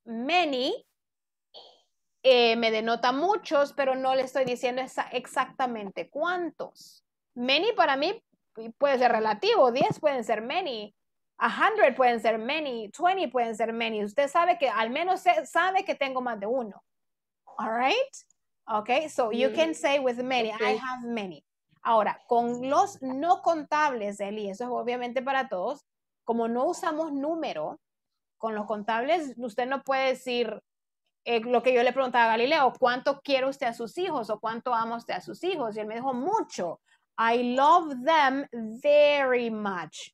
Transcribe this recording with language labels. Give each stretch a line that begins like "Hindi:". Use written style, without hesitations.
Spanish: Many me denota muchos, pero no le estoy diciendo exactamente cuántos. Many para mí puede ser relativo, 10 pueden ser many, 100 pueden ser many, 20 pueden ser many. Usted sabe que, al menos sabe que tengo más de uno.
English: All right? Okay, so you can say with many, okay. I have many.
Spanish: Ahora, con los no contables, Eli, eso es obviamente para todos, como no usamos número, con los contables usted no puede decir lo que yo le preguntaba a Galileo, ¿cuánto quiere usted a sus hijos o cuánto ama usted a sus hijos? Y él me dijo, mucho.
English: I love them very much.